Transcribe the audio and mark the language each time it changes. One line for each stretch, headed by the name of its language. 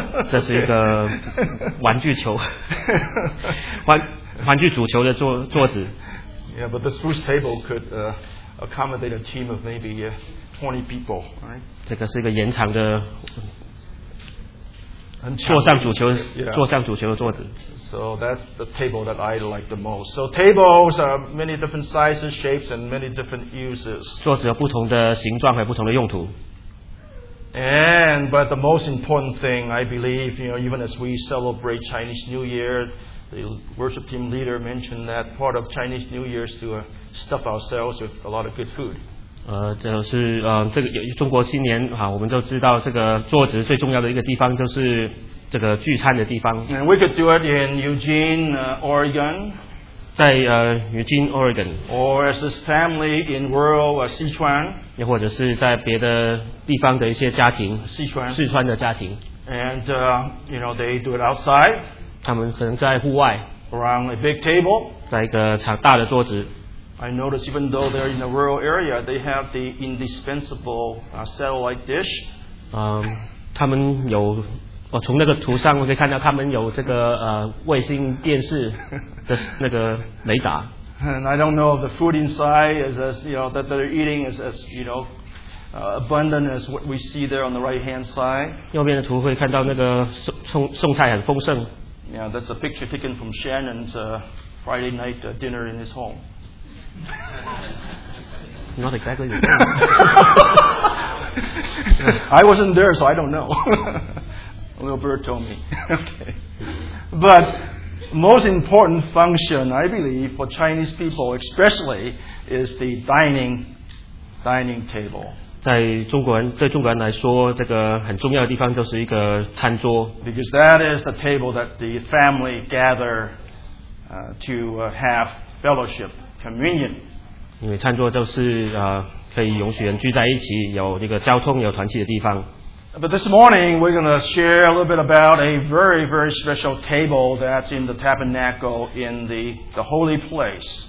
Chinese: 这是一个玩具球，玩具足球的桌子。
English: Yeah, but this foosball table could accommodate a team of maybe 20 people, right?
Chinese: 这个是一个延长的，坐上足球的桌子。
English: So that's the table that I like the most. So tables are many different sizes, shapes, and many different uses.
Chinese: 桌子有不同的形状和不同的用途。
English: And, but the most important thing, I believe, you know, even as we celebrate Chinese New Year, the worship team leader mentioned that part of Chinese New Year is to stuff ourselves with a lot of good food.
Chinese: 就是这个中国新年啊，我们就知道这个桌子最重要的一个地方就是这个聚餐的地方。
English: And we could do it in Eugene, Oregon.
Chinese: 在Eugene, Oregon.
English: Or as this family in rural Sichuan.
Chinese: 也或者是在别的地方的一些家庭，四川的家庭。
English: And you know they do it outside.
Chinese: 他们可能在户外。
English: Around a big table.
Chinese: 在一个长大的桌子。
English: I notice even though they're in a rural area, they have the indispensable satellite dish.
Chinese: 他们有，我从那个图上我可以看到他们有这个卫星电视的那个雷达。
English: And I don't know if the food inside is as, you know, that they're eating is as, you know, abundant as what we see there on the right hand side.
Chinese: 右边的图会看到那个送菜很丰盛。
English: Yeah, that's a picture taken from Shannon's Friday night dinner in his home. Not exactly. I wasn't there, so I don't know. A little bird told me. Okay. But most important function, I believe, for Chinese people especially, is the dining table.
Chinese: 在中国人来说, 这个很重要的地方就是一个餐桌,
English: because that is the table that the family gather to have fellowship, communion.
Chinese: 因为餐桌就是, 可以容许人聚在一起, 有这个交通, 有团契的地方。
English: But this morning, we're going to share a little bit about a very, very special table that's in the tabernacle in the holy place.